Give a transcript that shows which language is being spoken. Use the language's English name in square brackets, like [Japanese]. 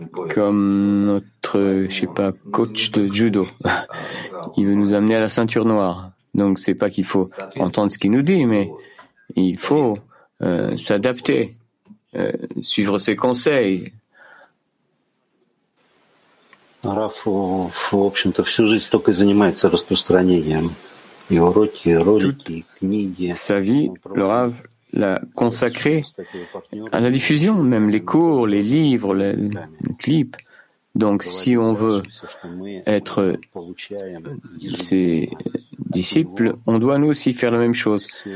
[French] comme notre, je sais pas, coach de judo. Il veut nous amener à la ceinture noire. Donc c'est pas qu'il faut entendre ce qu'il nous dit, mais il faut s'adapter, suivre ses conseils. [Russian] Раф, в общем-то, всю жизнь только занимается распространением. И уроки, и ролики, и книги. [French] Sa vie, le Rav l'a consacré à la diffusion, même les cours, les livres, les clips. Donc, si on veut être ses disciples, on doit nous aussi faire la même chose.